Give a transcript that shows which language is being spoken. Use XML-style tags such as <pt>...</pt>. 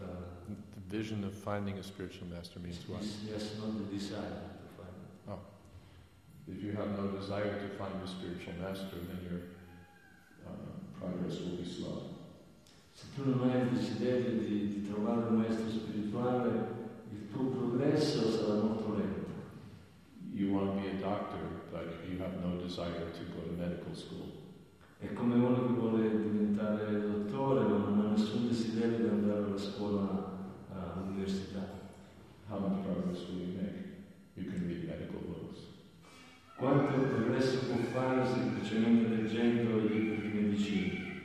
<en>the vision of finding a spiritual master means yes, what? Yes, not the desire to find it. Oh. If you have no desire to find a spiritual master, then your progress will be slow.</en> <it>Se tu non hai il desiderio di trovare un maestro spirituale, il tuo progresso sarà molto lento.</it> <en>You want to be a doctor, but you have no desire to go to medical school.</en> <it>È come uno che vuole diventare dottore, ma non ha nessun desiderio di andare alla scuola, all'università.</it> <en>How much progress will you make? You can read medical books.</en> <it>Quanto progresso può fare semplicemente leggendo i libri di medicina?</it>